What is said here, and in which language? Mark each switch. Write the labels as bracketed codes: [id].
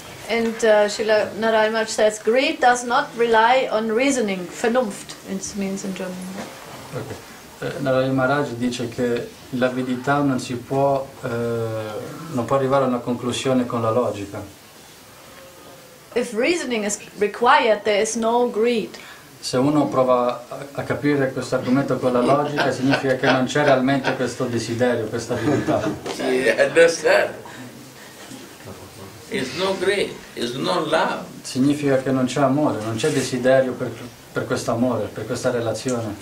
[en] And Srila Narayan Maharaj says greed does not rely on reasoning, Vernunft, it means in German. Okay. [it] Narayan Maharaj dice che l'avidità non si può non può arrivare a una conclusione con la logica. [en] If reasoning is required, there is no greed. [it] Se uno prova a capire questo argomento con la logica, significa che non c'è realmente questo desiderio, questa volontà. [en] Understand? It's no greed, it's no love. [it] Significa che non c'è amore, non c'è desiderio per questo amore, per questa relazione.